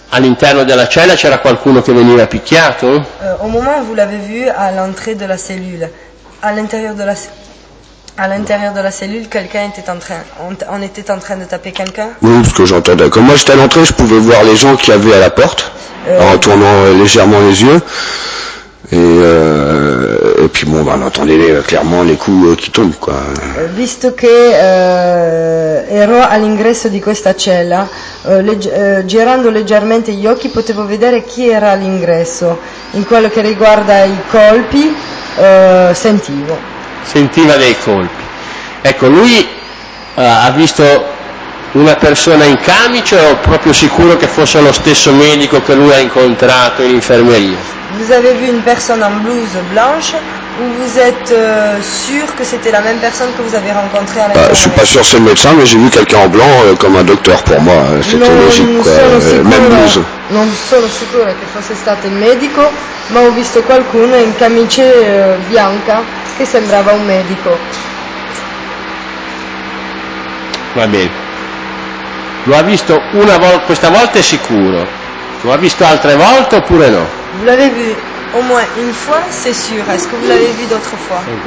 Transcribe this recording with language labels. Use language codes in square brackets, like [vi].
[it] All'interno della cella c'era qualcuno che veniva picchiato? [fr] Au moment où vous l'avez vu à l'entrée de la cellule, à l'intérieur de la cellule, on était en train de taper quelqu'un? Oui, ce que j'entendais. Quand moi j'étais à l'entrée, je pouvais voir les gens qui avaient à la porte en tournant légèrement les yeux. Et puis bon, on entendait clairement les coups qui tombent, quoi. [it] Visto che ero all'ingresso di questa cella, girando leggermente gli occhi potevo vedere chi era all'ingresso. In quello che riguarda i colpi, sentivo. Sentiva dei colpi. Ecco, lui ha visto una persona in camice, o proprio sicuro che fosse lo stesso medico che lui ha incontrato in infermeria? [fr] Vous avez vu une personne en blouse blanche, ou vous êtes sûr que c'était la même personne que vous avez rencontrée à la Je suis pas sûr, c'est le médecin, mais j'ai vu quelqu'un en blanc comme un docteur pour moi. C'était non, logique, quoi. Même blouse. [it] Non sono sicuro che fosse stato il medico, ma ho visto qualcuno in camicia bianca che sembrava un medico. Va bene. Lo ha visto una volta, questa volta è sicuro. Lo ha visto altre volte oppure no? [fr] Vous l'avez vu au moins une fois, c'est sûr. Est-ce que vous l'avez vu d'autres fois?